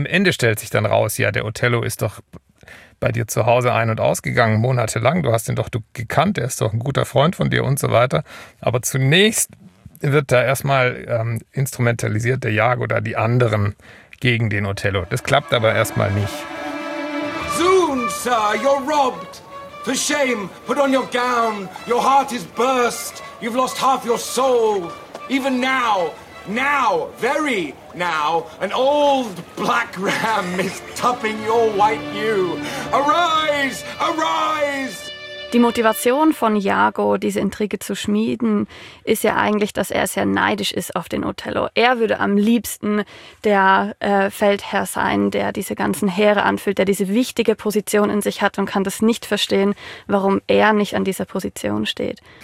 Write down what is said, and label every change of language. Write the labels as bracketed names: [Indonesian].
[German] Am Ende stellt sich dann raus, ja, der Othello ist doch bei dir zu Hause ein- und ausgegangen, monatelang, du hast ihn doch gekannt, er ist doch ein guter Freund von dir und so weiter. Aber zunächst wird da erstmal instrumentalisiert der Iago oder die anderen gegen den Othello. Das klappt aber erstmal nicht. [English] Zoon, sir, you're robbed. For shame, put on your gown. Your heart is burst. You've lost half your soul. Even now, very now, an old black ram is tupping your white ewe. Arise, arise! [German] Die Motivation von Iago, diese Intrige zu schmieden, ist ja eigentlich, dass er sehr neidisch ist auf den Othello. Er würde am liebsten der Feldherr sein, der diese ganzen Heere anfühlt, der diese wichtige Position in sich hat und kann das nicht verstehen, warum er nicht an dieser Position steht.